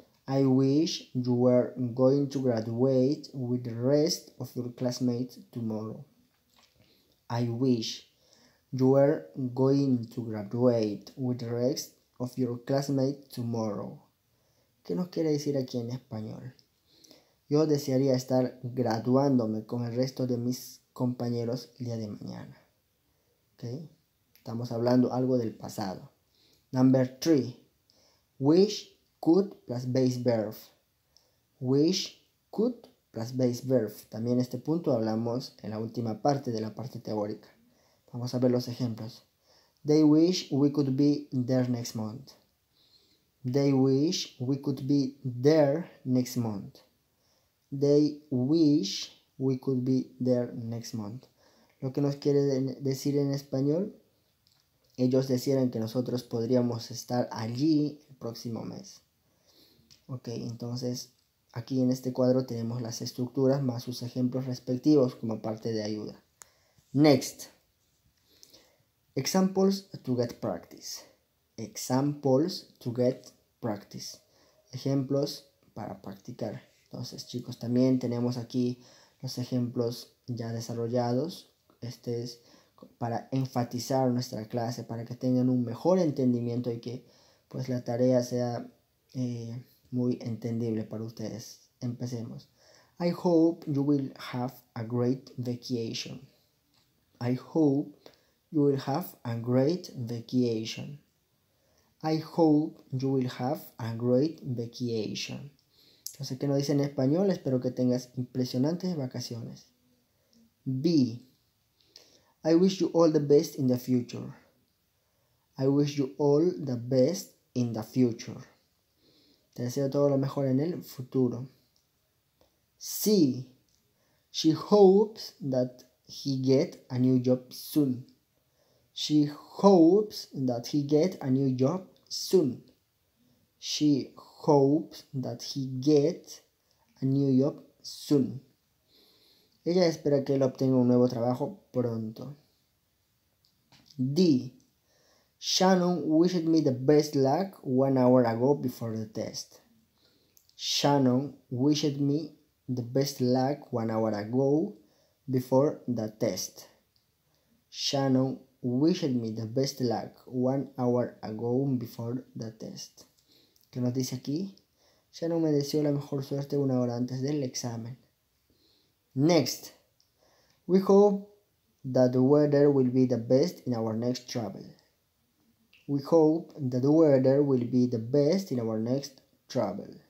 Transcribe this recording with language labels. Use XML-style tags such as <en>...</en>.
<en>I wish you were going to graduate with the rest of your classmates tomorrow. I wish you were going to graduate with the rest of your classmates tomorrow.</en> <es>¿Qué nos quiere decir aquí en español? Yo desearía estar graduándome con el resto de mis compañeros el día de mañana. ¿Ok? Estamos hablando algo del pasado.</es> <en>Number 3. Wish could plus base verb. Wish could plus base verb.</en> <es>También este punto hablamos en la última parte de la parte teórica. Vamos a ver los ejemplos.</es> <en>They wish we could be there next month. They wish we could be there next month. They wish we could be there next month.</en> <es>Lo que nos quiere decir en español, ellos desearan que nosotros podríamos estar allí el próximo mes. Ok, entonces aquí en este cuadro tenemos las estructuras más sus ejemplos respectivos como parte de ayuda.</es> <en>Next. Examples to get practice. Examples to get practice.</en> <es>Ejemplos para practicar. Entonces, chicos, también tenemos aquí los ejemplos ya desarrollados. Este es para enfatizar nuestra clase, para que tengan un mejor entendimiento y que pues la tarea sea muy entendible para ustedes. Empecemos.</es> <en>I hope you will have a great vacation. I hope you will have a great vacation. I hope you will have a great vacation.</en> <es>No sé qué nos dice en español, espero que tengas impresionantes vacaciones. B.</es> <en>I wish you all the best in the future. I wish you all the best in the future.</en> <es>Te deseo todo lo mejor en el futuro. C.</es> <en>She hopes that he get a new job soon. She hopes that he get a new job soon. She hopes that he get a new job soon.</en> <es>Ella espera que él obtenga un nuevo trabajo pronto.</es> <en>D. Shannon wished me the best luck 1 hour ago before the test. Shannon wished me the best luck 1 hour ago before the test. Shannon wished me the best luck 1 hour ago before the test.</en> <es>¿Qué nos dice aquí? Shannon me deseó la mejor suerte 1 hora antes del examen.</es> <en>Next. We hope that the weather will be the best in our next travel. We hope that the weather will be the best in our next travel.</en>